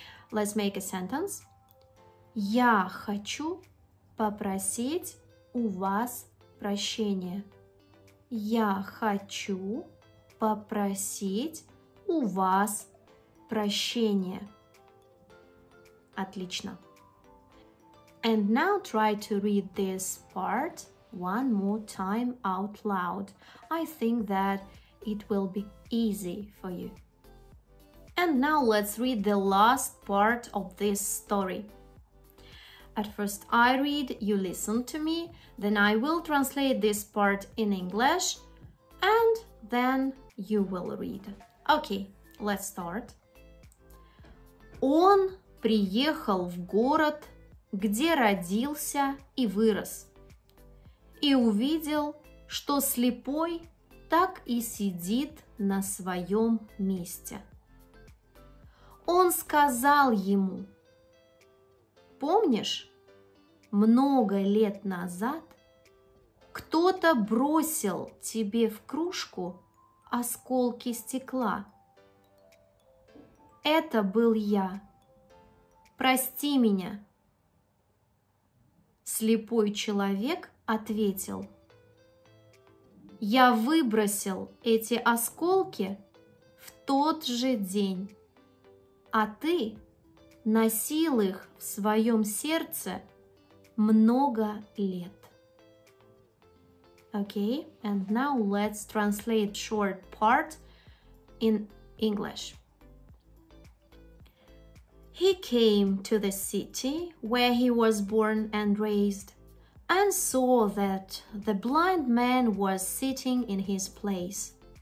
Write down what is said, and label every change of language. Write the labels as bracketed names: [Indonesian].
[English] Let's make a sentence. [Russian] Я хочу попросить у вас прощения. Я хочу попросить у вас прощения. Отлично. [English] And now try to read this part one more time out loud. I think that it will be easy for you. And now let's read the last part of this story. At first I read, you listen to me, then I will translate this part in English, and then you will read. Okay, let's start. [Russian] Он приехал в город, где родился и вырос, и увидел, что слепой так и сидит на своем месте. Он сказал ему: «Помнишь, много лет назад кто-то бросил тебе в кружку осколки стекла? Это был я. Прости меня». Слепой человек ответил: «Я выбросил эти осколки в тот же день, а ты носил их в своем сердце много лет». [English] Okay, and now let's translate short part in English. He came to the city where he was born and raised and saw that the blind man was sitting in his place.